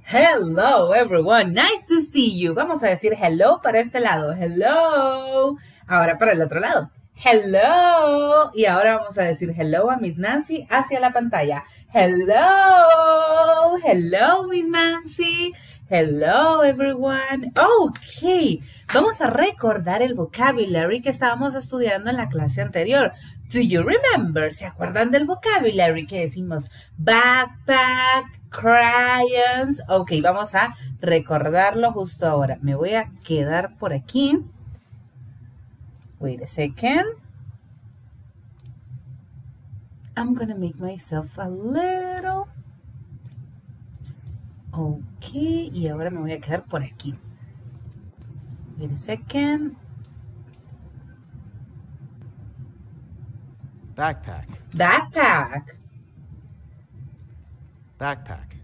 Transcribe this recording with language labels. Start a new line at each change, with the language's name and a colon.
English: Everyone, nice to see you.
Spanish: Vamos a decir hello para este lado. Hello. Ahora para el otro lado. Hello. Y ahora vamos a decir hello a Miss Nancy hacia la pantalla.
English: Hello. Hello, Miss Nancy. Hello, everyone. Okay.
Spanish: Vamos a recordar el vocabulary que estábamos estudiando en la clase anterior.
English: Do you remember?
Spanish: ¿Se acuerdan del vocabulary que decimos? Backpack. Crayons. Ok, vamos a recordarlo justo ahora. Me voy a quedar por aquí.
English: Wait a second. I'm gonna make myself a little.
Spanish: Ok, y ahora me voy a quedar por aquí.
English: Wait a second. Backpack. Backpack. Backpack.